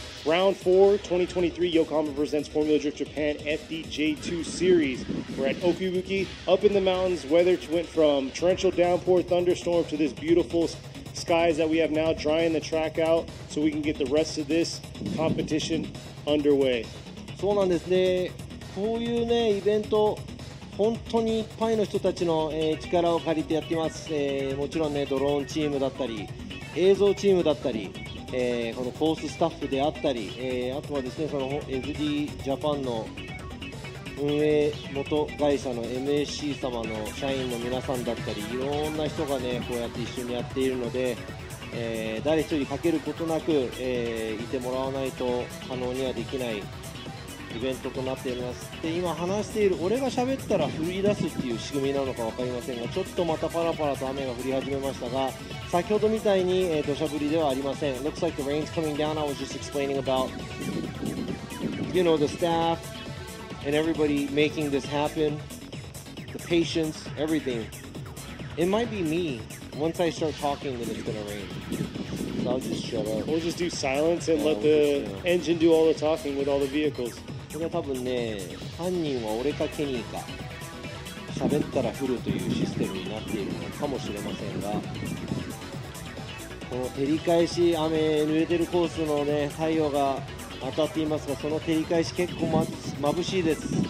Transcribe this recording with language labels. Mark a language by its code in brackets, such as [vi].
[en] Round four, 2023 Yokohama presents Formula Drift Japan FDJ2 Series. We're at Okuibuki, up in the mountains. Weather went from torrential downpour, thunderstorm, to this beautiful skies that we have now, drying the track out so we can get the rest of this competition underway. [ja] そうなんですね。こういうね、イベント、本当にいっぱいの人たちの、力を借りてやってます、もちろんね、ドローンチームだったり、映像チームだったり、このコーススタッフであったり、あとはですね、その FD ジャパンの運営元会社の MSC 様の社員の皆さんだったり、いろんな人がね、こうやって一緒にやっているので、誰一人欠けることなく、いてもらわないと可能にはできない。イベントとなっております。で、今話している俺が喋ったら降り出すっていう仕組みなのか分かりませんが、ちょっとまたパラパラと雨が降り始めましたが、先ほどみたいに、土砂降りではありません。 [en] Looks like the rain's coming down. I was just explaining about, you know, the staff and everybody making this happen, the patience, everything. It might be me. Once I start talking, then it's gonna rain. I'll just shut up. We'll just do silence and let the engine do all the talking with all the vehicles. [ja] これは多分ね、犯人は俺かケニーか、喋ったら降るというシステムになっているのかもしれませんが、この照り返し、雨濡れてるコースの、ね、太陽が当たっていますが、その照り返し結構眩しいです。